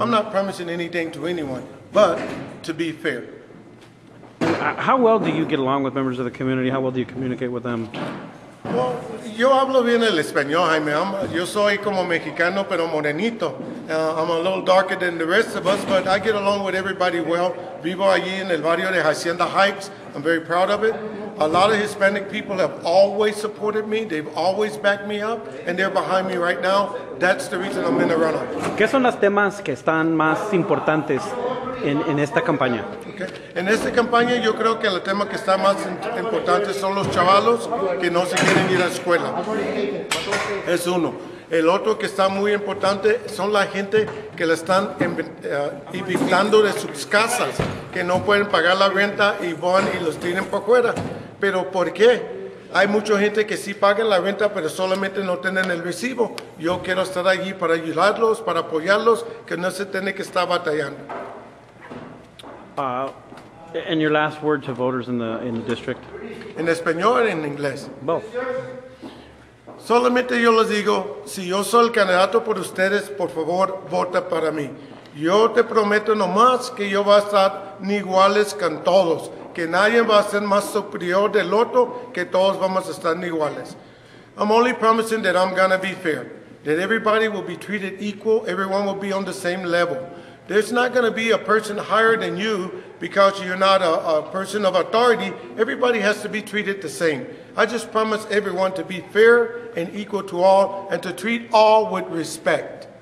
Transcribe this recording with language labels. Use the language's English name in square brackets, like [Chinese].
[English] I'm not promising anything to anyone, but to be fair. How well do you get along with members of the community? How well do you communicate with them? [Spanish] Well, yo hablo bien el español, Jaime. Yo soy como mexicano, pero morenito. [English] I'm a little darker than the rest of us, but I get along with everybody well. [Spanish] Vivo allí en el barrio de Hacienda Heights. [English] I'm very proud of it. A lot of Hispanic people have always supported me. They've always backed me up, and they're behind me right now. That's the reason I'm in the runoff. [Spanish] ¿Qué son los temas que están más importantes en esta campaña? En esta campaña yo creo que el tema que está más importante son los chavalos que no se quieren ir a la escuela. Es uno. El otro que está muy importante son la gente que la están evitando de sus casas, que no pueden pagar la renta y van y los tienen por fuera. ¿Pero por qué? Hay mucha gente que sí paga la renta, pero solamente no tienen el recibo. Yo quiero estar allí para ayudarlos, para apoyarlos, que no se tiene que estar batallando. [English] And your last word to voters in the district? [Spanish] En español or en inglés? [English] Both. [Spanish] Solamente yo les digo, si yo soy el candidato por ustedes, por favor, vota para mí. Yo te prometo nomás que yo voy a estar ni iguales con todos, que nadie va a ser más superior del otro, que todos vamos a estar ni iguales. [English] I'm only promising that I'm going to be fair, that everybody will be treated equal, everyone will be on the same level. There's not going to be a person higher than you because you're not a person of authority. Everybody has to be treated the same. I just promise everyone to be fair and equal to all and to treat all with respect.